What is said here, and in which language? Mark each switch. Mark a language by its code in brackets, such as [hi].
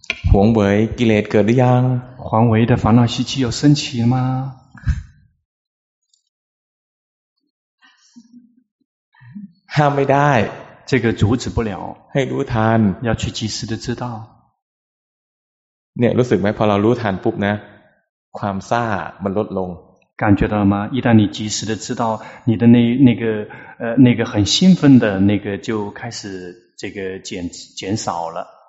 [th] 黄维，กิเลสเกิดหรือยัง？ [zh] 黄维的烦恼习气有升起吗？ [th] ห้ามไม่ได้。 [zh] 这个阻止不了。 [th] ให้รู้ทัน。 [zh] 要去及时的知道。 [th] เนี่ยรู้สึกไหมพอเรารู้ทันปุ๊บนะความซ่ามันลดลง [zh] 感觉到了吗一旦你及时的知道你的那个很兴奋的那个就开始这个减少了